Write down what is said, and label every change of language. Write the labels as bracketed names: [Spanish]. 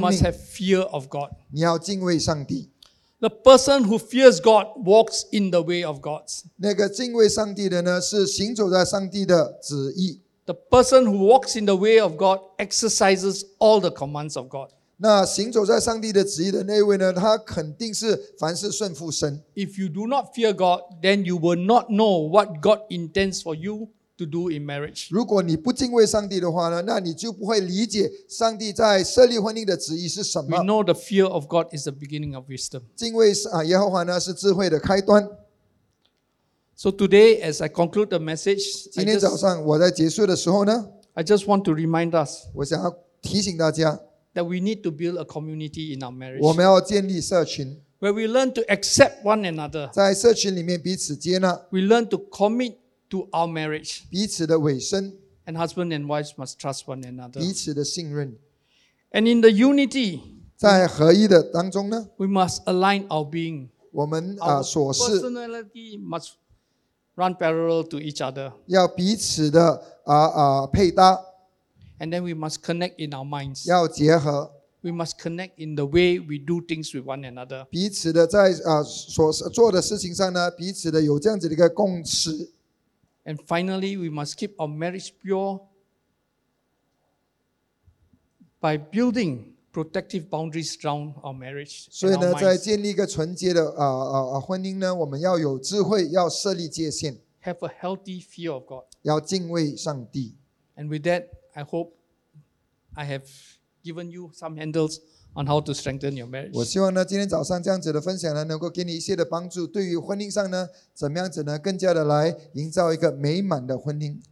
[English] you must have fear of God. [Chinese] 你要敬畏上帝。 [English] The person who fears God walks in the way of God. [Chinese] 那个敬畏上帝的呢，是行走在上帝的旨意。 [English] The person who walks in the way of God exercises all the commands of God. [Chinese] 那行走在上帝的旨意的那位呢，他肯定是凡事顺服神。 [English] If you do not fear God, then you will not know what God intends for you to do in marriage. [Chinese] 如果你不敬畏上帝的话呢，那你就不会理解上帝在设立婚姻的旨意是什么。 [English] We know the fear of God is the beginning of wisdom. [Chinese] 敬畏耶和华呢，是智慧的开端。 [English] So today, as I conclude the message, [Chinese] 今天早上我在结束的时候呢 [English] ，I just want to remind us， [Chinese] 我想要提醒大家 [English] ，that we need to build a community in our marriage， [Chinese] 我们要建立社群 [English] ，where we learn to accept one another， [Chinese] 在社群里面彼此接纳 [English] ，we learn to commit to our marriage， [Chinese] 彼此的委身 [English] ，and husband and wife must trust one another， [Chinese] 彼此的信任 [English] ，and in the unity， [Chinese] 在合一的当中呢 [English] ，we must align our being， [Chinese] 我们所是 [English] ，our personality must。 Run parallel to each other. [Chinese] 要彼此的配搭。 [English] And then we must connect in our minds. [Chinese] 要结合。 [English] We must connect in the way we do things with one another. [Chinese] 彼此的在所做的事情上呢，彼此的有这样子的一个共识。 [English] And finally, we must keep our marriage pure by building protective boundaries around our marriage. [Chinese] 所以呢，在建立一个纯洁的婚姻呢，我们要有智慧，要设立界限。 [English] Have a healthy fear of God. [Chinese] 要敬畏上帝。 [English] And with that, I hope I have given you some handles on how to strengthen your marriage. [Chinese] 我希望呢，今天早上这样子的分享呢，能够给你一些的帮助，对于婚姻上呢，怎么样子呢，更加的来营造一个美满的婚姻。